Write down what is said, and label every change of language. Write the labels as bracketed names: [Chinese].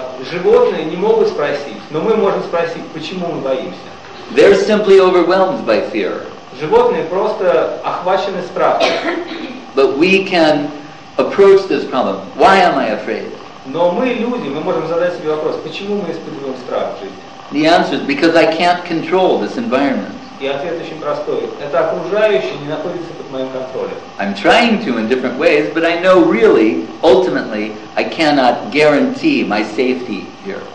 [Russian] Животные не могут спросить, но мы можем спросить, почему мы боимся. [English] They're simply overwhelmed by fear. [Russian] Животные просто охвачены страхом. [English] But we can approach this problem. Why am I afraid? [Russian] Но мы люди, мы можем задать себе вопрос, почему мы испытываем страх в жизни? [English] The answer is because I can't control this environment. [Russian] И ответ очень простой. Это окружающее не находится под моим контролем. [English] I'm trying to in different ways, but I know really, ultimately, I cannot guarantee my safety here.